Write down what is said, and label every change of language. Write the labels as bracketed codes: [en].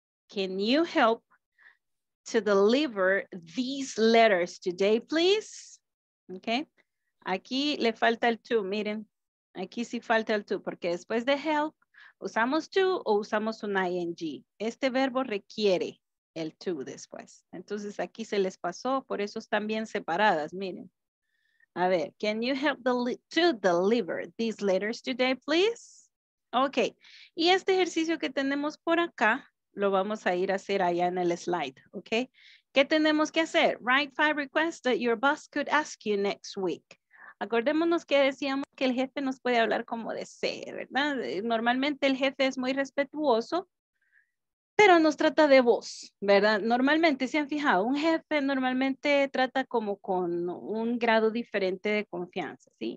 [en] Can you help to deliver these letters today, please? [es] Okay. Aquí le falta el to, miren. Aquí sí falta el to, porque después de help, usamos to o usamos un ing. Este verbo requiere el to después. Entonces aquí se les pasó, por eso están bien separadas, miren. [en] A ver, can you help to deliver these letters today, please? Okay. [es] Y este ejercicio que tenemos por acá, lo vamos a ir a hacer allá en el slide, ¿ok? ¿Qué tenemos que hacer? [en] Write 5 requests that your boss could ask you next week. [es] Acordémonos que decíamos que el jefe nos puede hablar como desee, ¿verdad? Normalmente el jefe es muy respetuoso, pero nos trata de vos, ¿verdad? Normalmente, ¿se han fijado? Un jefe normalmente trata como con un grado diferente de confianza, ¿sí?